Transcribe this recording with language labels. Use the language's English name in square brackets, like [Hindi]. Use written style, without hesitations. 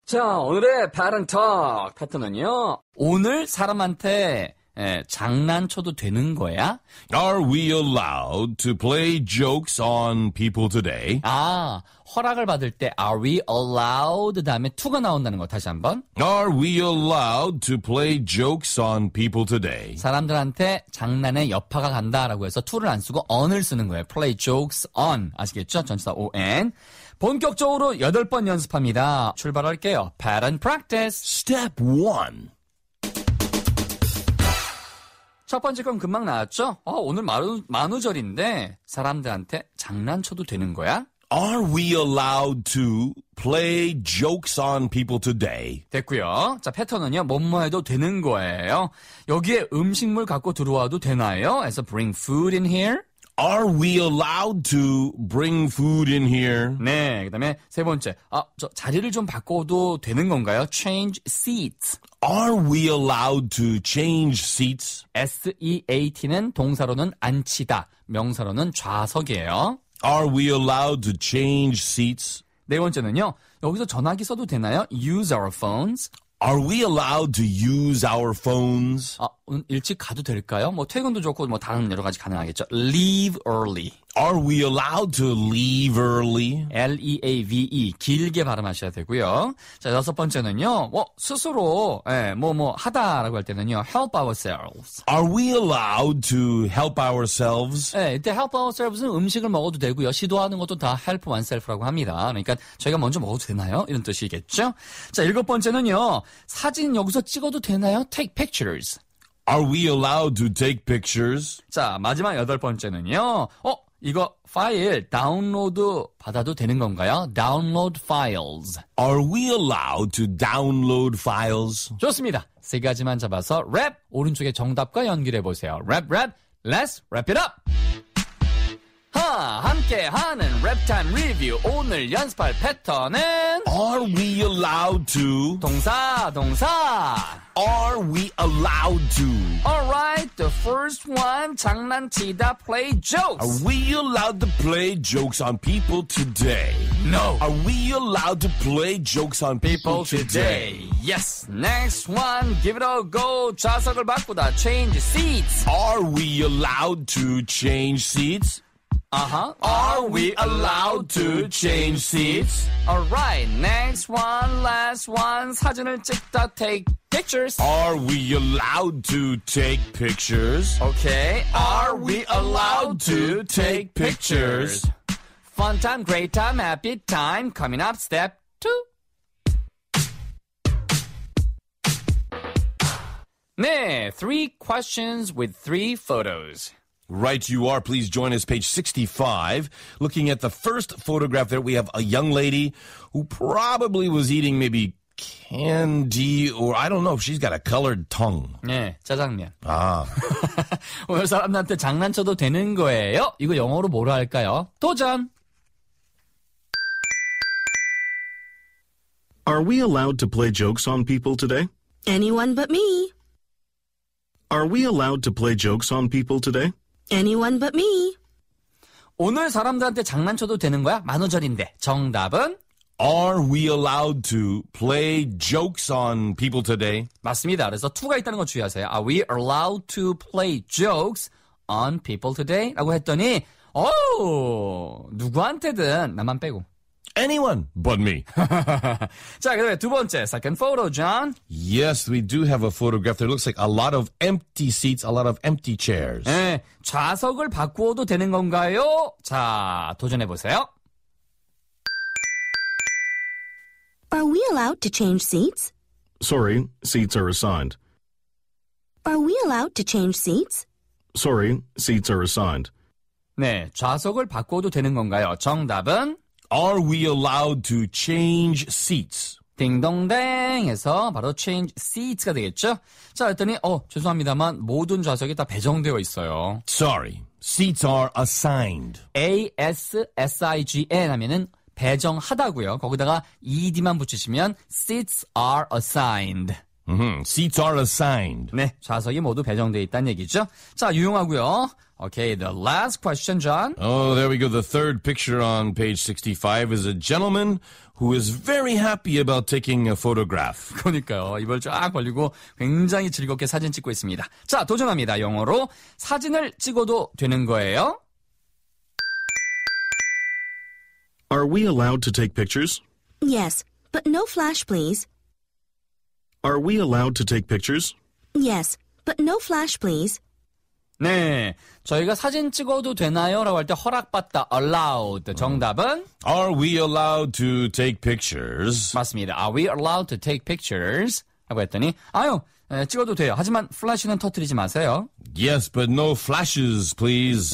[Korean] 자, 오늘의 파랑톡 패턴은요. 오늘 사람한테 예, 장난쳐도 되는 거야? [English] Are we allowed to play jokes on people today? [Korean] 아, 허락을 받을 때 [English] are we allowed [Korean] 다음에 to가 나온다는 거 다시 한번. [English] Are we allowed to play jokes on people today? [Korean] 사람들한테 장난의 여파가 간다라고 해서 to를 안 쓰고 on을 쓰는 거예요. [English] Play jokes on. [Korean] 아시겠죠? 전치사 [English] on. [Korean] 본격적으로 여덟 번 연습합니다. 출발할게요. [English] Pattern practice. Step 1. [Korean] 첫 번째 건 금방 나왔죠? 아, 오늘 만우절인데 사람들한테 장난쳐도 되는 거야? [English] Are we allowed to play jokes on people today? [Korean] 됐고요. 자, 패턴은요. 뭐뭐 해도 되는 거예요. 여기에 음식물 갖고 들어와도 되나요? 해서 [English] bring food in here. Are we allowed to bring food in here? [Korean] 네, 그 다음에 세 번째. 아, 저 자리를 좀 바꿔도 되는 건가요? [English] Change seats. Are we allowed to change seats? [Korean] S-E-A-T는 동사로는 앉히다, 명사로는 좌석이에요. [English] Are we allowed to change seats? [Korean] 네 번째는요. 여기서 전화기 써도 되나요? [English] Use our phones. Are we allowed to use our phones? [Korean] 아, 일찍 가도 될까요? 뭐 퇴근도 좋고 뭐 다른 여러 가지 가능하겠죠. [English] Leave early. Are we allowed to leave early? L-E-A-V-E. [Korean] 길게 발음하셔야 되고요. 자, 여섯 번째는요. 뭐 스스로 예, 뭐뭐 하다라고 할 때는요. [English] Help ourselves. Are we allowed to help ourselves? [Korean] 예, 이때 [English] help ourselves [Korean] 는 음식을 먹어도 되고요. 시도하는 것도 다 [English] help oneself [Korean] 라고 합니다. 그러니까 저희가 먼저 먹어도 되나요? 이런 뜻이겠죠. 자, 일곱 번째는요. 사진 여기서 찍어도 되나요? [English] Take pictures. Are we allowed to take pictures? [Korean] 자, 마지막 여덟 번째는요. 어? 이거 파일 다운로드 받아도 되는 건가요? [English] Download files. Are we allowed to download files? [Korean] 좋습니다. 세 가지만 잡아서 랩! 오른쪽에 정답과 연결해 보세요. 랩, 랩! [English] Let's wrap it up! [Korean] 함께하는 랩타임 리뷰. 오늘 연습할 패턴은 [English] Are we allowed to [Korean] 동사 동사 [English] Are we allowed to Alright, the first one [Korean] 장난치다 [English] play jokes Are we allowed to play jokes on people today? No Are we allowed to play jokes on people today? Yes, next one Give it a go [Korean] 좌석을 바꾸다 [English] change seats Are we allowed to change seats? Uh-huh. Are we allowed to change seats? Alright, next one, last one. [Korean] 사진을 찍다, [English] take pictures. Are we allowed to take pictures? Okay. Are we allowed to take pictures? Fun time, great time, happy time. Coming up, step two. 네, three questions with three photos. Right you are. Please join us. Page 65. Looking at the first photograph there, we have a young lady who probably was eating maybe candy or I don't know if she's got a colored tongue. [Korean] 네, 짜장면. 아. 오늘 사람들한테 장난쳐도 되는 거예요? 이거 영어로 뭐라 할까요? 도전! [English] Are we allowed to play jokes on people today? Anyone but me. Are we allowed to play jokes on people today? Anyone but me. [Korean] 오늘 사람들한테 장난쳐도 되는 거야? 만우절인데. 정답은? [English] Are we allowed to play jokes on people today? [Korean] 맞습니다. 그래서 to가 있다는 거 주의하세요. [English] Are we allowed to play jokes on people today? [Korean] 라고 했더니, 오, 누구한테든 나만 빼고. [English] Anyone but me. [Korean] 자, 그 다음에 두 번째, [English] second photo, [Korean] John. [English] Yes, we do have a photograph. There looks like a lot of empty seats, a lot of empty chairs. [Korean] 네, 좌석을 바꾸어도 되는 건가요? 자, 도전해 보세요. [English] Are we allowed to change seats? Sorry, seats are assigned. Are we allowed to change seats? Sorry, seats are assigned. [Korean] 네, 좌석을 바꾸어도 되는 건가요? 정답은? [English] Are we allowed to change seats? [Korean] 딩동댕에서 바로 [English] change seats [Korean] 가 되겠죠? 자, 그랬더니 어, 죄송합니다만 모든 좌석이 다 배정되어 있어요. [English] Sorry. Seats are assigned. [Korean] A-S-S-I-G-N 하면은 배정하다고요. 거기다가 ED만 붙이시면 [English] seats are assigned. Mm-hmm. Seats are assigned. [Korean] 네, 좌석이 모두 배정되어 있다는 얘기죠. 자, 유용하고요. [English] Okay, the last question, John. Oh, there we go. The third picture on page 65 is a gentleman who is very happy about taking a photograph. [Korean] 그러니까요. 입을 쫙 벌리고 굉장히 즐겁게 사진 찍고 있습니다. 자, 도전합니다. 영어로 사진을 찍어도 되는 거예요. [English] Are we allowed to take pictures? Yes, but no flash, please. Are we allowed to take pictures? Yes, but no flash, please. [Korean] 네, 저희가 사진 찍어도 되나요? 라고 할 때 허락받다, allowed. 정답은? [English] Are we allowed to take pictures? [Korean] 맞습니다. [English] Are we allowed to take pictures? [Korean] 하고 했더니, 아유, 네, 찍어도 돼요. 하지만 플래시는 터뜨리지 마세요. [English] Yes, but no flashes, please.